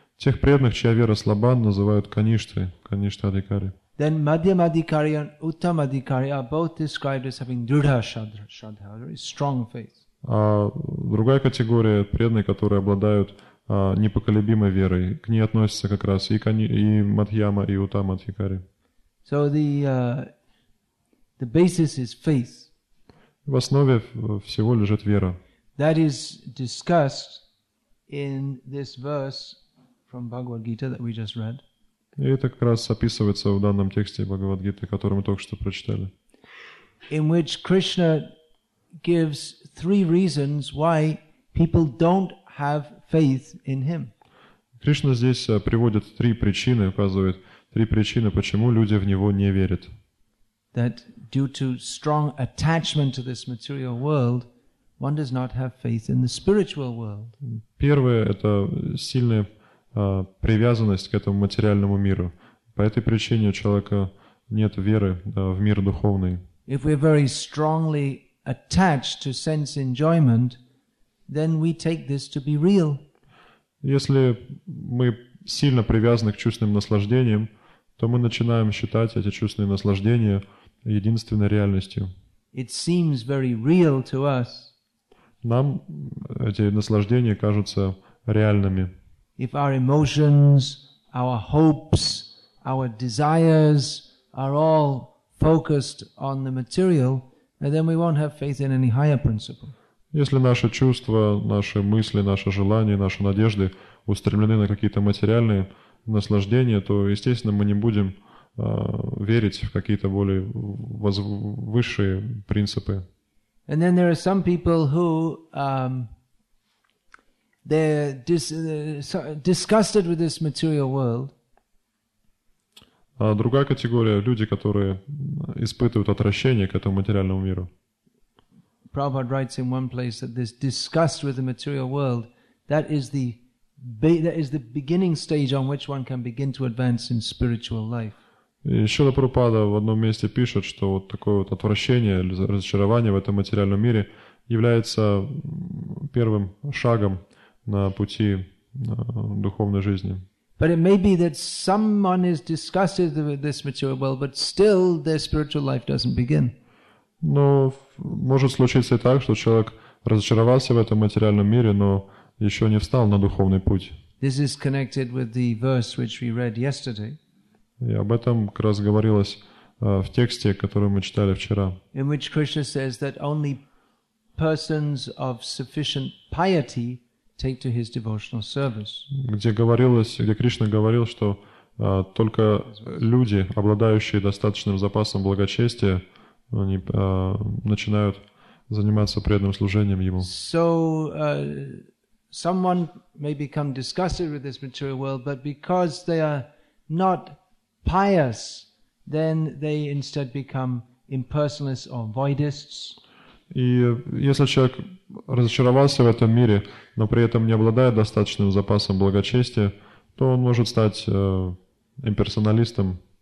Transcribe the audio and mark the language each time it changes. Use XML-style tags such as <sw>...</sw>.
<ru>Тех преданных, чья вера слаба, называют каништры, каништа адикари.</ru> <en>Then madhyam adhikari and uttam adhikari are both described as having drudha shadha, very strong faith.</en> <ru>А другая категория преданных, которые обладают непоколебимой верой, к ней относятся как раз и мадхьяма, и уттам адхикари.</ru> <en>So the basis is faith.</en> <ru>В основе всего лежит вера.</ru> <en>That is discussed in this verse from Bhagavad Gita that we just read.</en> <ru>И это как раз описывается в данном тексте Бхагавад Гиты, который мы только что прочитали.</ru> <en>In which Krishna gives three reasons why people don't have faith in him.</en> <ru>Кришна здесь приводит три причины, указывает три причины, почему люди в него не верят.</ru> <en>that due to strong attachment to this material world, one does not have faith in the spiritual world.</en> <ru>Первое – это сильная привязанность к этому материальному миру. По этой причине у человека нет веры в мир духовный.</ru> <en>If we're very strongly attached to sense enjoyment, then we take this to be real.</en> <ru>Если мы сильно привязаны к чувственным наслаждениям, то мы начинаем считать эти чувственные наслаждения единственной реальностью.</ru> <en>It seems very real to us.</en> <ru>Нам эти наслаждения кажутся реальными.</ru> <en>If our emotions, our hopes, our desires are all focused on the material, then we won't have faith in any higher principle.</en> <ru>Если наши чувства, наши мысли, наши желания, наши надежды устремлены на какие-то материальные наслаждения, то, естественно, мы не будем верить в какие-то более высшие принципы.</ru> <en>And then there are some people who they're disgusted with this material world.</en> <ru>А другая категория – люди, которые испытывают отвращение к этому материальному миру.</ru> <en>Prabhupada writes in one place that this disgust with the material world, that is the beginning stage on which one can begin to advance in spiritual life.</en> <ru>Шрила Прабхупада в одном месте пишет, что вот такое вот отвращение или разочарование в этом материальном мире является первым шагом на пути духовной жизни.</ru> <en>But it may be that someone is disgusted with this material world, but still their spiritual life doesn't begin.</en> <ru>Но может случиться и так, что человек разочаровался в этом материальном мире, но еще не встал на духовный путь.</ru> <en>This is connected with the verse which we read yesterday.</en> <ru>И об этом как раз говорилось в тексте, который мы читали вчера.</ru> <en>In which Krishna says that only persons of sufficient piety take to his devotional service.</en> <ru>Где Кришна говорил, что только люди, обладающие достаточным запасом благочестия, они начинают заниматься преданным служением ему.</ru> <en>So someone may become disgusted with this material world, but because they are not pious, then they instead become impersonalists or voidists.</en> <ru>И если человек разочаровался в этом мире, но при этом не обладает достаточным запасом благочестия, то он может стать имперсоналистом.</ru>